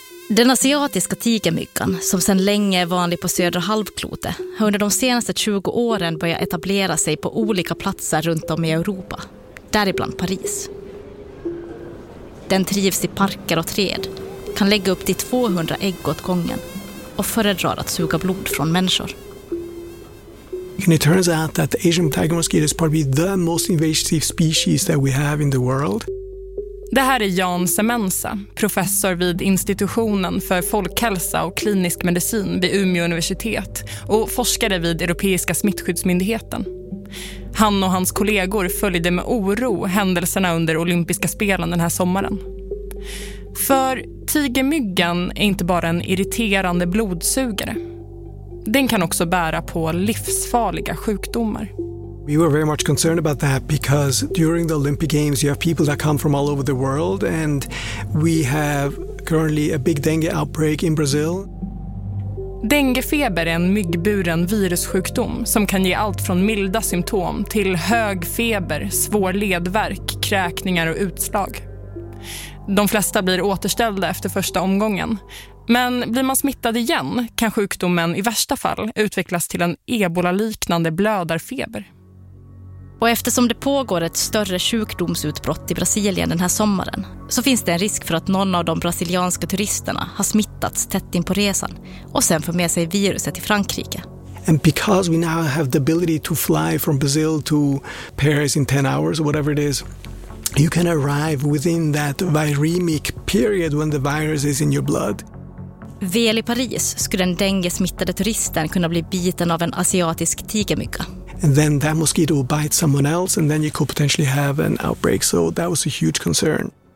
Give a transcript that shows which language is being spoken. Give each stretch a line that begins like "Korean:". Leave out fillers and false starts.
Swedish: Den asiatiska tigermyggan, som sedan länge är vanlig på södra halvklotet, har under de senaste 20 åren börjat etablera sig på olika platser runt om i Europa, däribland Paris. Den trivs i parker och träd, kan lägga upp till 200 ägg åt gången och föredrar att suga blod från människor.
English: And it turns out that the Asian tiger mosquito is probably the most invasive species that we have in the world.
Swedish: Det här är Jan Semensa, professor vid institutionen för folkhälsa och klinisk medicin vid Umeå universitet och forskare vid Europeiska smittskyddsmyndigheten. Han och hans kollegor följde med oro händelserna under olympiska spelen den här sommaren. För tigermyggan är inte bara en irriterande blodsugare. Den kan också bära på livsfarliga sjukdomar.
English: We were very much concerned about that because during the Olympic Games you have people that come from all over the world and we have currently a big dengue outbreak in Brazil.
Swedish: Denguefeber är en myggburen virussjukdom som kan ge allt från milda symptom till hög feber, svår ledvärk, kräkningar och utslag. De flesta blir återställda efter första omgången. Men blir man smittad igen kan sjukdomen i värsta fall utvecklas till en Ebola-liknande blödarfeber. Och eftersom det pågår ett större sjukdomsutbrott i Brasilien den här sommaren så finns det en risk för att någon av de brasilianska turisterna har smittats tätt in på resan och sen får med sig viruset till Frankrike.
English: And because we now have the ability to fly from Brazil to Paris in 10 hours or whatever it is, you can arrive within that viremic period when the virus is in your blood.
Swedish: Väl i Paris skulle den dengue-smittade turisten kunna bli biten av en asiatisk tigermygga.
English: And then that mosquito will bite someone else and then you could potentially have an outbreak. So that was a huge concern.